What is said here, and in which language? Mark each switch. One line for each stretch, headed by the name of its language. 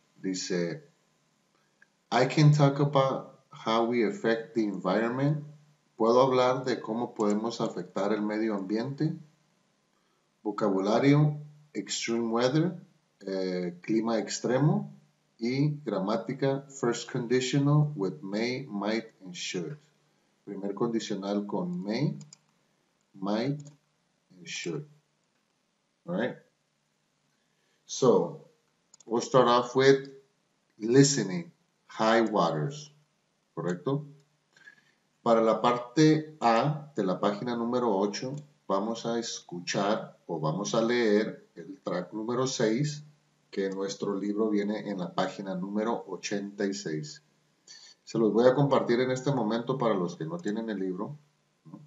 English: Dice, I can talk about how we affect the environment.
Spanish: ¿Puedo hablar de cómo podemos afectar el medio ambiente? Vocabulario, extreme weather, clima extremo. Y gramática,
English: first conditional with may, might, and should.
Spanish: Primer condicional con
English: may, might, and should. All right. So, we'll start off with listening, high waters.
Spanish: ¿Correcto? Para la parte A de la página número 8, vamos a escuchar o vamos a leer el track número 6, que nuestro libro viene en la página número 86. Se los voy a compartir en este momento para los que no tienen el libro, ¿no?